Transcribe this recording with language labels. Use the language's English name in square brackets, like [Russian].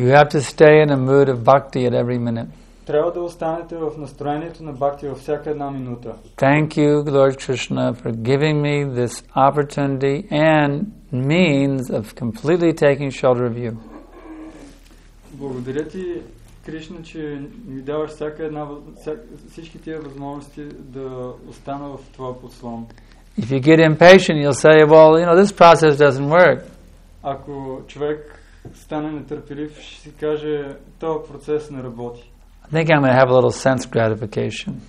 [English] You have to stay in a mood of bhakti at every minute. [Bulgarian] Трябва да останете в настроението на бхакти във всяка една минута. [English] Thank you, Lord Krishna, for giving me this opportunity and means of completely taking shelter of you. [Bulgarian] Благодаря ти, Кришна, че ми даваш всяка една, всички тия възможности да остана в твоя подслон. [English] If you get impatient, you'll say, well, you know, this process doesn't work. [Bulgarian] Ако човек стане нетърпелив, ще си каже, този процес не работи. [English] I think I'm going to have a little sense gratification.